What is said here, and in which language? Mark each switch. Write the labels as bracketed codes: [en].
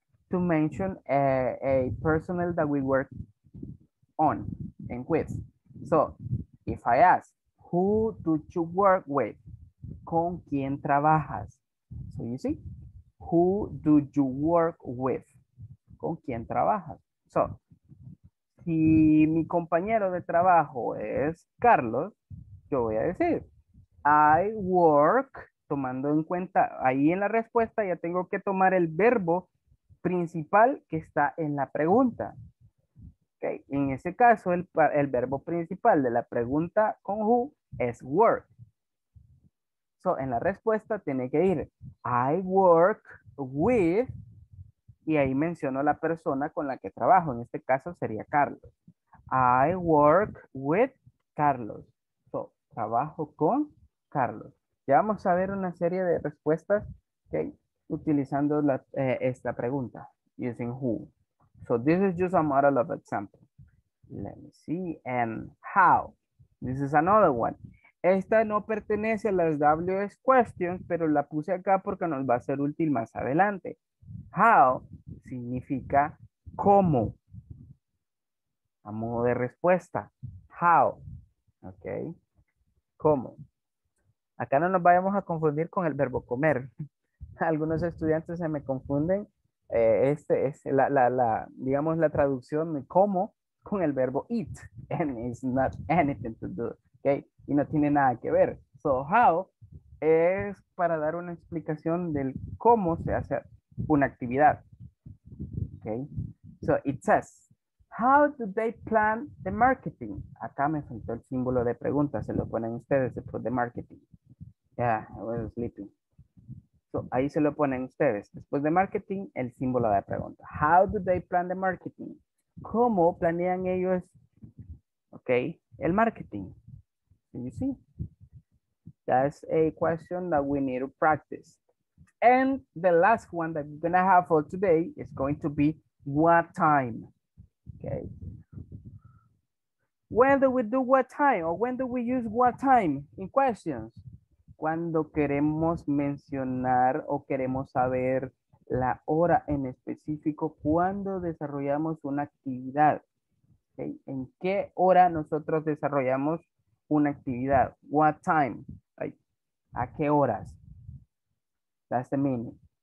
[en] To mention a personnel that we work on and with. So, if I ask, who do you work with? ¿Con quién trabajas? So you see, who do you work with? [es] ¿Con quién trabajas? So, si mi compañero de trabajo es Carlos, yo voy a decir, I work, tomando en cuenta, ahí en la respuesta ya tengo que tomar el verbo principal que está en la pregunta. Okay. En ese caso, el verbo principal de la pregunta con who es work. So, en la respuesta tiene que ir, I work with, y ahí menciono la persona con la que trabajo. En este caso sería Carlos. I work with Carlos. So, trabajo con Carlos. Ya vamos a ver una serie de respuestas, okay, utilizando la, esta pregunta, using who. [en] So, this is just a model of example. Let me see. And how? This is another one. [es] Esta no pertenece a las WS questions, pero la puse acá porque nos va a ser útil más adelante. How significa cómo. A modo de respuesta. How. Ok. ¿Cómo? Acá no nos vayamos a confundir con el verbo comer. Algunos estudiantes se me confunden. Este es la digamos la traducción de cómo con el verbo eat, and it's not anything to do, okay, y no tiene nada que ver. So how es para dar una explicación del cómo se hace una actividad, okay. [en] So it says, how do they plan the marketing? [es] Acá me faltó el símbolo de pregunta, se lo ponen ustedes después de marketing. Yeah, I was sleeping. So, ahí se lo ponen ustedes. Después de marketing, el símbolo de pregunta. How do they plan the marketing? ¿Cómo planean ellos? Ok, el marketing. You see? [en] That's a question that we need to practice. And the last one that we're going to have for today is going to be what time. Ok. When do we do what time? Or when do we use what time in questions? [es] Cuando queremos mencionar o queremos saber la hora en específico, cuando desarrollamos una actividad. ¿Okay? ¿En qué hora nosotros desarrollamos una actividad? What time? ¿A qué horas? That's the meaning.